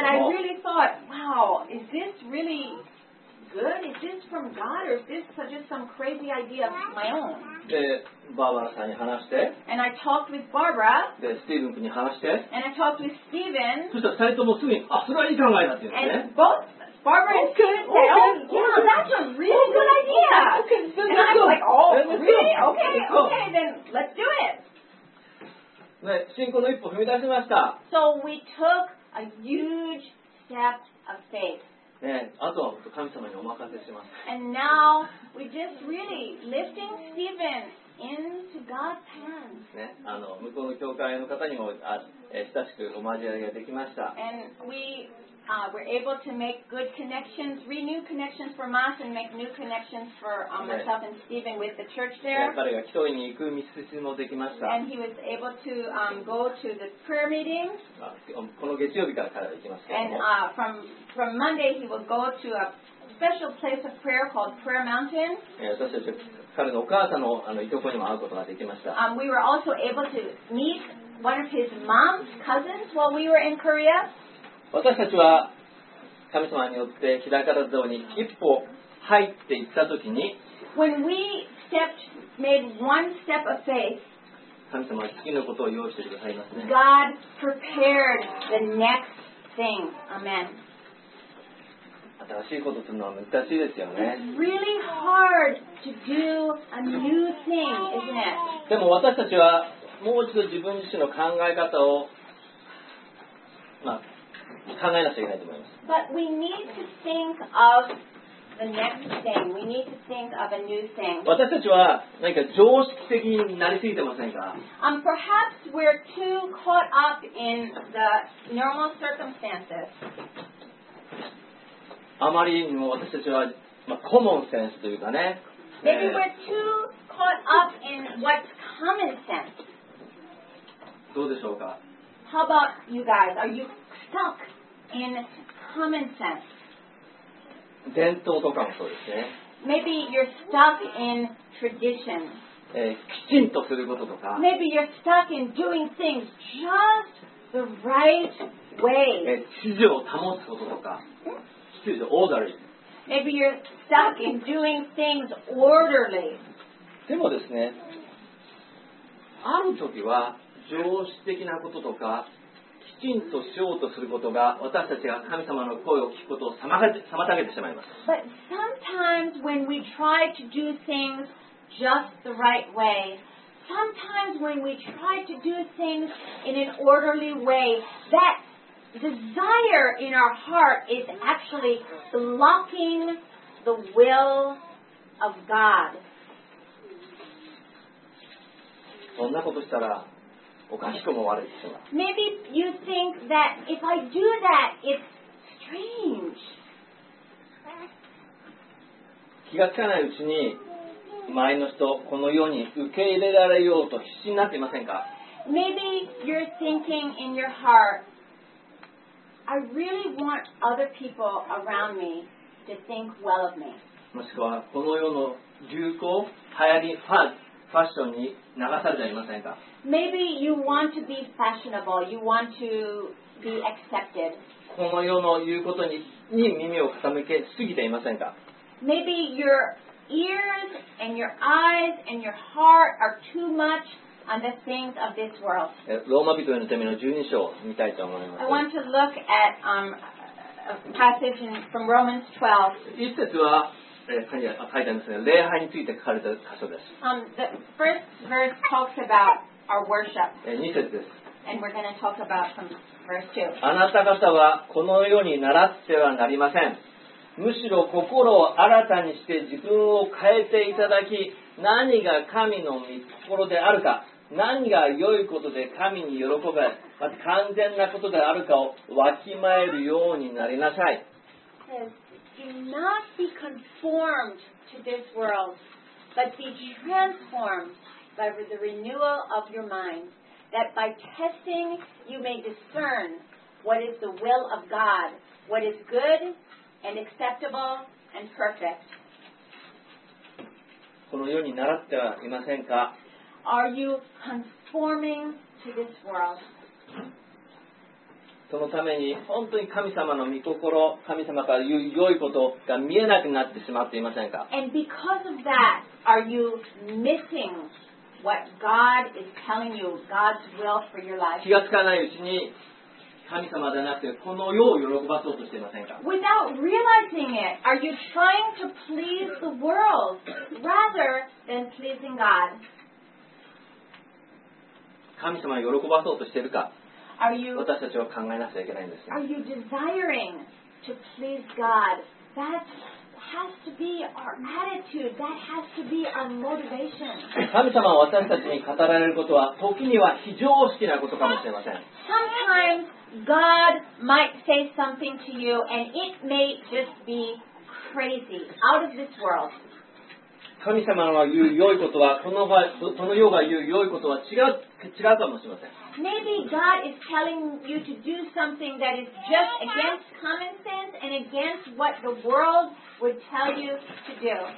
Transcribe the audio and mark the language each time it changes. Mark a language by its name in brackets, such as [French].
[English] But I really thought, wow, is this really good? Is this from God or is this just some crazy idea of my own? [Japanese] で、バーバラさんに話して。 [English] And I talked with Barbara. [Japanese] で、スティーブン君に話して。 [English] And I talked with Stephen. [Japanese] そしたら2人ともすぐに、あ、それはいい考えだって言うんですね。 [English] And both Barbara and Stephen said, Oh, that's a really good idea. Okay. And I was like, oh, really? Okay, then let's do it. [Japanese] ね、信仰の一歩踏み出しました。 [English] So we took a huge step of faith. [Japanese] ね、あとは神様にお任せします。 [English] And now we're just really lifting Stephen into God's hands. [Japanese] ね、向こうの教会の方にも親しくお交わりができました。 [English] And we were able to make good connections, renew connections for us and make new connections for myself and Stephen with the church there. [Japanese] 彼が祈祷に行く道筋もできました。 [English] And he was able to go to the prayer meeting. [Japanese] この月曜日から彼は行きますけども。 [English] And from Monday he will go to a special place of prayer called Prayer Mountain. [Japanese] 私たち彼のお母さんの、いとこにも会うことができました。 [English] We were also able to meet one of his mom's cousins while we were in Korea. [Japanese] 私たちは神様によって日高田像に一歩入っていったときに、 [English] When we stepped, made one step of faith, [Japanese] 神様は次のことを用意してくださいますね。 [English] God prepared the next thing. Amen. [Japanese] 新しいことするのは難しいですよね。 [English] It's really hard to do a new thing, isn't it? [Japanese] でも私たちはもう一度自分自身の考え方を、まあ考えなきゃいけないと思います。 [English] But we need to think of the next thing. We need to think of a new thing. [Japanese] 私たちは何か常識的になりすぎてませんか？ [English] Perhaps we're too caught up in the normal circumstances. [Japanese] あまりにも私たちは、まあ、コモンセンスというかね。 [English] Maybe we're too caught up in what's common sense. [Japanese] どうでしょうか？ [English] How about you guys? Are you... Stuck in common sense. [Japanese] 伝統とかもそうですね。 [English] Maybe you're stuck in tradition. [Japanese] きちんとすることとか。 [English] Maybe you're stuck in doing things just the right way. [Japanese] 秩序を保つこととか。秩序、オーダリー。 [English] Maybe you're stuck in doing things orderly. [Japanese] でもですね、ある時は常識的なこととかきちんとしようとすることが私たちが神様の声を聞くことを妨げてしまいます。 [English] But sometimes when we try to do things just the right way, sometimes when we try to do things in an orderly way, that desire in our heart is actually blocking the will of God. [Japanese] そんなことしたらおかしくも悪いでしょう。 [English] Maybe you think that if I do that, it's strange. [Japanese] 気がつかないうちに周りの人この世に受け入れられようと必死になっていませんか。 [English] Maybe you're thinking in your heart, I really want other people around me to think well of me. [Japanese] もしくはこの世の流行、流行りファン。ファッションに流されていませんか? [English] Maybe you want to be fashionable. You want to be accepted. [Japanese] この世の言うことに耳を傾けすぎていませんか? [English] Maybe your ears and your eyes and your heart are too much on the things of this world. [Japanese] ローマ人へのための12章を見たいと思います。 [English] I want to look at a passage from Romans 12. [Japanese] 一節は書いてあるんですね、礼拝について書かれた箇所です。 [English] The first verse talks about our worship. [Japanese] 2節です。 [English] And we're going to talk about some verse 2. [Japanese] あなた方はこの世に倣ってはなりません。むしろ心を新たにして自分を変えていただき、何が神の御心であるか、何が良いことで神に喜ばれ、また完全なことであるかをわきまえるようになりなさい。 [English] Do not be conformed to this world, but be transformed by the renewal of your mind, that by testing you may discern what is the will of God, what is good and acceptable and perfect. [Japanese] この世に習ってはいませんか? [English] Are you conforming to this world? [Japanese] そのために本当に神様の御心、神様から言う良いことが見えなくなってしまっていませんか? [English] And because of that, are you missing what God is telling you, God's will for your life? [Japanese] 気がつかないうちに神様ではなくてこの世を喜ばそうとしていませんか? [English] Without realizing it, are you trying to please the world rather than pleasing God? [Japanese] 神様を喜ばそうとしているか? 私たちは考えなきゃいけないんですよ。 [English] Are you desiring to please God? That has to be our attitude. That has to be our motivation. [Japanese] 神様は私たちに語られることは時には非常識なことかもしれません。 [English] Sometimes God might say something to you and it may just be crazy, out of this world. [Japanese] 神様が言う良いことはその世が言う良いことは違うかもしれません。 [English] Maybe God is telling you to do something that is just against common sense and against what the world would tell you to do.